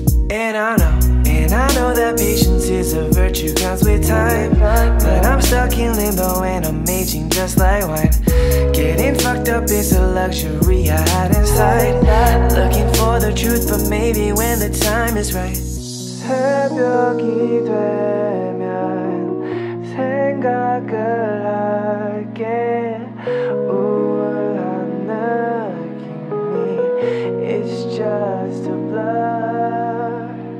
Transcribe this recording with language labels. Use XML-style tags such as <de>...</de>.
<en>And I know that patience is a virtue, comes with time. But I'm stuck in limbo and I'm aging just like wine. Getting fucked up is a luxury I had inside. Looking for the truth, but maybe when the time is right.</en> <ko>새벽이 되면 생각을 할게. 우울한 느낌이</ko> <en>It's just a blur.</en>